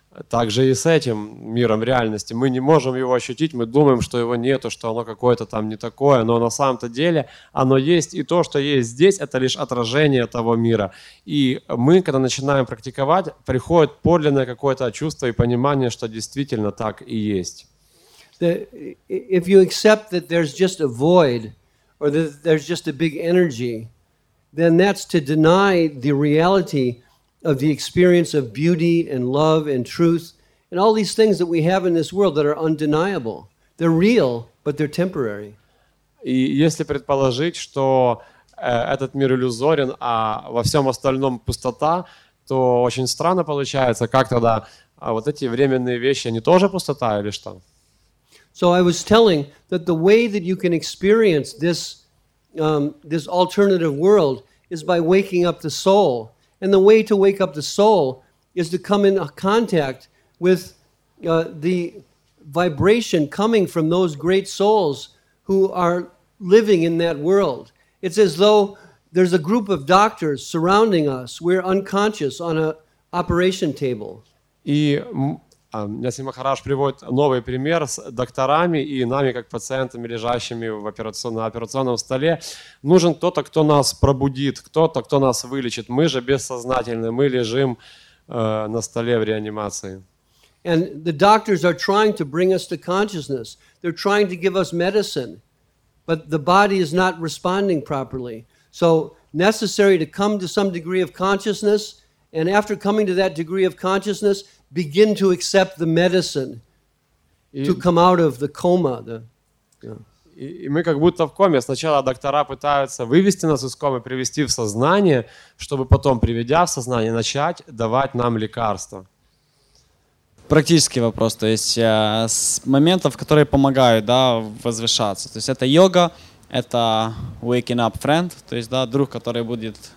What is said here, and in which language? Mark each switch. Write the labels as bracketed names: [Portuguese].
[Russian] Также и с этим миром реальности. Мы не можем его ощутить, мы думаем, что его нету, что оно какое-то там не такое, но на самом-то деле оно есть, и то, что есть здесь, это лишь отражение того мира. И мы, когда начинаем практиковать, приходит подлинное какое-то чувство и понимание, что действительно так и есть. [English] If you accept that there's just a void, or that there's just a big energy, then that's to deny the reality of the experience of beauty and love and truth and all these things that we have in this world that are undeniable. They're real, but they're temporary. [Russian] И если предположить, что этот мир иллюзорен, а во всем остальном пустота, то очень странно получается, как тогда вот эти временные вещи, они тоже пустота или что? [English] So I was telling that the way that you can experience this this alternative world is by waking up the soul. And the way to wake up the soul is to come in contact with the vibration coming from those great souls who are living in that world. It's as though there's a group of doctors surrounding us. We're unconscious on an operation table. [Russian] И Ясин Махарадж приводит новый пример с докторами и нами, как пациентами, лежащими на операционном столе. Нужен кто-то, кто нас пробудит, кто-то, кто нас вылечит. Мы же бессознательны, мы лежим на столе в реанимации. [English] And the doctors are trying to bring us to consciousness. They're trying to give us medicine. But the body is not responding properly. So necessary to come to some degree of consciousness. And after coming to that degree of consciousness, begin to accept the medicine to come out of the coma. [Russian] И мы как будто в коме. Сначала доктора пытаются вывести нас из комы, привести в сознание, чтобы потом, приведя в сознание, начать давать нам лекарства. Практический вопрос. То есть с моментов, которые помогают, да, возвышаться. То есть это йога, это [English] waking up friend, [Russian] то есть, да, друг, который будет